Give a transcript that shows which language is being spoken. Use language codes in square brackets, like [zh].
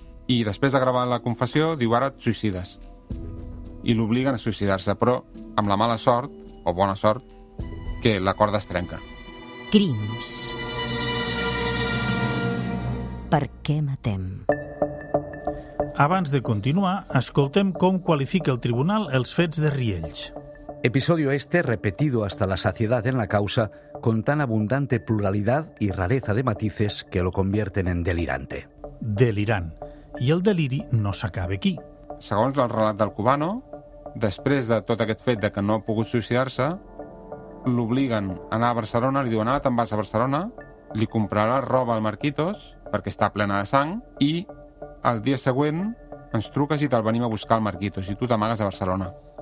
[ca] I després de gravar la confessió, diu, ara et suïcides. I l'obliguen a suïcidar-se, però amb la mala sort, o bona sort, que la corda es trenca. Crims. Per què matem? Abans de continuar, escoltem com qualifica el tribunal els fets de Riells. [es] Episodio este, repetido hasta la saciedad en la causa, con tan abundante pluralidad y rareza de matices que lo convierten en delirante. [ca] Delirant. I el deliri no s'acaba aquí. Segons el relat del cubano, després de tot aquest fet de que no ha pogut suïcidar-se, l'obliguen a anar a Barcelona, li diuen: ara te'n vas a Barcelona, li comprarà roba al Marquitos, perquè està plena de sang, i el dia següent ens truques i te'l venim a buscar al Marquitos, i tu t'amagues a Barcelona.